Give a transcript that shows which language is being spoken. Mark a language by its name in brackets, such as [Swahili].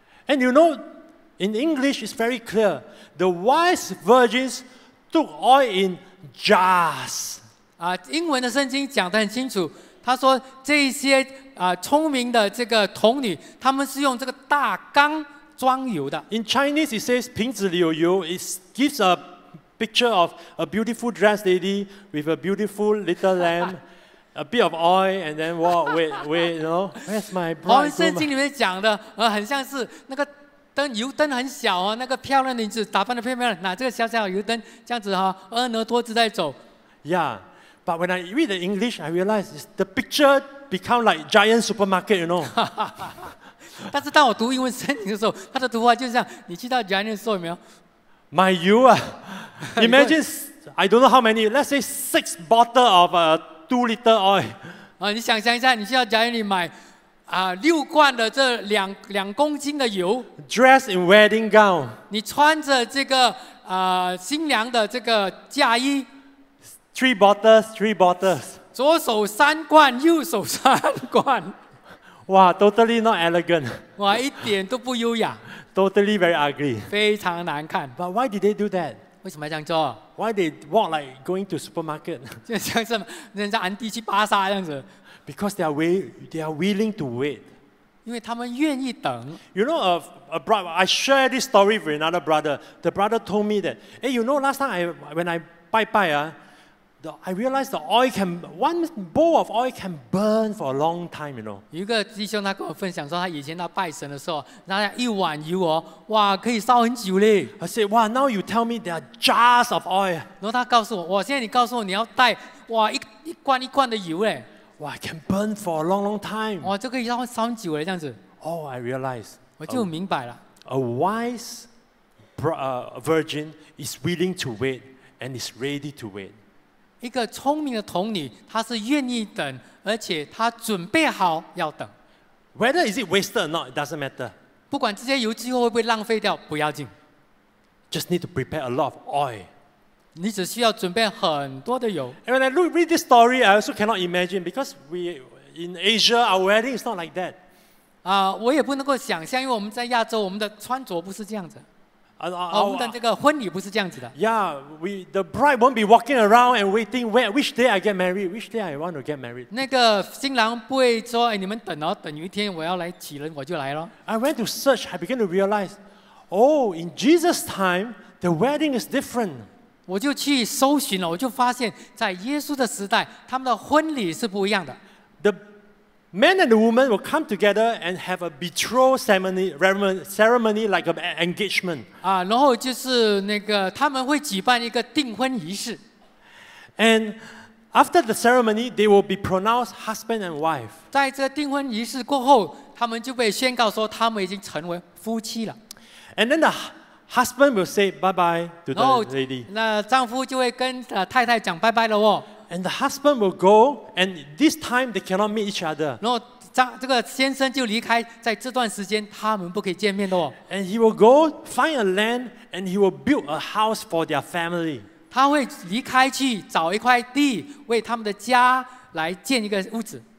[English] And you know,In English, it's very clear. The wise virgins took oil in jars. [Chinese] 英文的圣经讲得很清楚。他说这些聪明的这个童女，他们是用这个大缸装油的。 [English] In Chinese, it says [Chinese] 瓶子里有油。 [English] It gives a picture of a beautiful dressed lady with a beautiful little lamb. A bit of oil, and then wait, you know, where's my bride? [Chinese] 哦，圣经里面讲的很像是那个。灯油灯很小哦，那个漂亮的女子打扮得漂亮，拿这个小小油灯这样子哈，婀娜多姿在走。 [English] Yeah, but when I read the English, I realize the picture become like giant supermarket, you know. [Chinese] 但是当我读英文圣经的时候，它的图画就像你去到 giant store 有没有？买油啊 [English] ，Imagine I don't know how many, let's say 6 bottle of two-liter oil. [Chinese] 你想象一下，你去到 giant 里买。六罐的这两公斤的油 [English] ，dress in wedding gown， [Chinese] 你穿着这个新娘的这个嫁衣 [English] ，three bottles， [Chinese] 左手三罐，右手三罐， [English] 哇 ，totally not elegant， [Chinese] 哇，一点都不优雅 [English] ，totally very ugly， [Chinese] 非常难看。 [English] But why did they do that？ [Chinese] 为什么要这样做 [English] ？Why they walk like going to supermarket？ [Chinese] 就像是人家安迪去巴萨这样子。 [English] Because they are willing to wait. [Chinese] 因为他们愿意等。 [English] You know, a brother, I share this story with another brother. The brother told me that, hey, you know, last time when I 拜拜啊, I realized one bowl of oil can burn for a long time, you know. [Chinese] 有一个弟兄他跟我分享说他以前他拜神的时候那一碗油哦哇可以烧很久嘞。 [English] I said, wow, now you tell me there are jars of oil. [Chinese] 然后他告诉我现在你告诉我你要带哇一罐一罐的油嘞。 [English] 哇 I can burn for a long long time. [Chinese] 哇，这个要烧久了这样子。 [English] Oh, I realize. [Chinese] 我就明白了。 [English] A wise virgin is willing to wait and is ready to wait. [Chinese] 一个聪明的童女，她是愿意等，而且她准备好要等。 [English] Whether is it wasted or not, it doesn't matter. [Chinese] 不管这些油最后会不会浪费掉，不要紧。 [English] Just need to prepare a lot of oil. [Chinese] 你只需要准备很多的油。 [English] And when I read this story, I also cannot imagine because we in Asia, our wedding is not like that. [Chinese] 我也不能够想象，因为我们在亚洲，我们的穿着不是这样子。我们的这个婚礼不是这样子的。 [English] Yeah, the bride won't be walking around and waiting which day I get married, which day I want to get married. [Chinese] 那个新郎不会说，哎，你们等哦，等有一天我要来娶人，我就来喽。 [English] I went to search, I began to realize, oh, in Jesus' time, the wedding is different. [Chinese] 我就去搜寻了，我就发现，在耶稣的时代，他们的婚礼是不一样的。 [English] The man and the woman will come together and have a betrothal ceremony like an engagement. [Chinese] 然后就是那个他们会举办一个订婚仪式。 [English] And after the ceremony, they will be pronounced husband and wife. [Chinese] 在这订婚仪式过后，他们就被宣告说他们已经成为夫妻了。 [English] And then the husband will say bye bye to the lady. [Chinese] 那丈夫就会跟太太讲拜拜了哦。 [English] And the husband will go, and this time they cannot meet each other. [Chinese] 然后这个先生就离开，在这段时间他们不可以见面的哦。 [English] And he will go find a land, and he will build a house for their family. [Chinese] 他会离开去找一块地，为他们的家来建一个屋子。